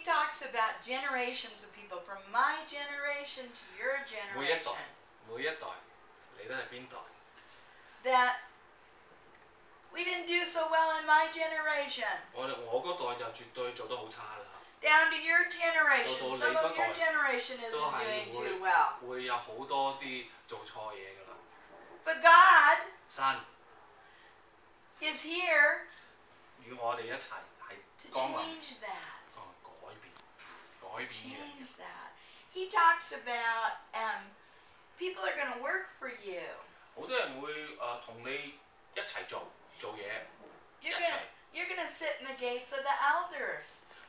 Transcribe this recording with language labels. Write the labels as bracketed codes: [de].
[en] talks about generations of people from my generation to your generation. [yue] 每一代, [en] that we didn't do so well in my generation. [yue] 我那代就絕對做得好差了。 [en] Down to your generation, some of your generation isn't doing too well. [yue] 會有好多啲做錯嘢㗎啦。 [en] But God, [yue] 神, [en] is here [yue] 與我哋一齊係 [en] to change that. [yue] 改變。 [en] Change that. He talks about people are going to work for you. [yue] 好多人會同你一齊做嘢。 [en] You're going to sit in the gates of the elders.